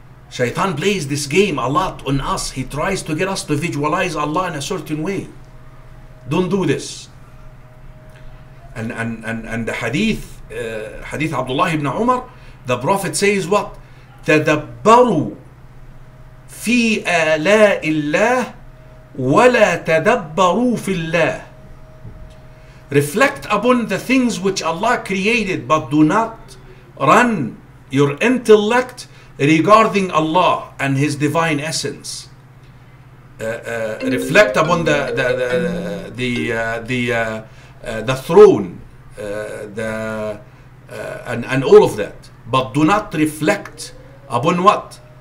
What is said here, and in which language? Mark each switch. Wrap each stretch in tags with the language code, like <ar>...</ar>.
<en>Shaitan plays this game a lot on us. He tries to get us to visualize Allah in a certain way. Don't do this. And the hadith, hadith Abdullah ibn Umar, the Prophet says what?</en> <ar>تدبروا في آلاء الله ولا تدبروا في الله.</ar> <en>Reflect upon the things which Allah created, but do not run your intellect regarding Allah and His divine essence. Reflect upon the throne, and all of that, but do not reflect upon what?</en>